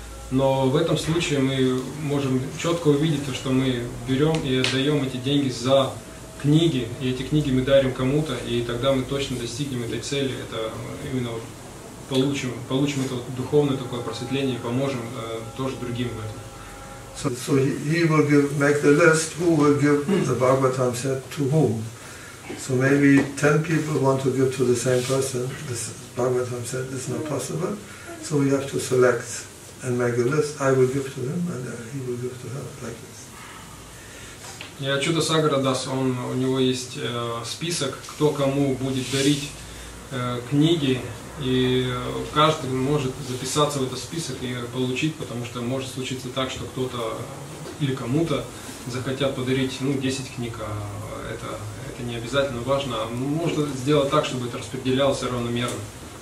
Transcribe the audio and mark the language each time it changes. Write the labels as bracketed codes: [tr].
[ru] Но в этом случае мы можем четко увидеть то, что мы берем и отдаем эти деньги за книги, и эти книги мы дарим кому-то, и тогда мы точно достигнем этой цели. Это именно получим это духовное такое просветление и поможем тоже другим в этом. [en] So he will make the list who will give the Bhagavatam set to whom. So maybe 10 people want to give to the same person, this Bhagavatam said, it's not possible. So we have to select and make a list. I will give to him and he will give to her, like this. [ru] И Ачюта Сагара Дас, у него есть список, кто кому будет дарить книги. И каждый может записаться в этот список и получить, потому что может случиться так, что кто-то или кому-то захотят подарить 10 книг, а это... это не обязательно важно, можно сделать так, чтобы это распределялось равномерно.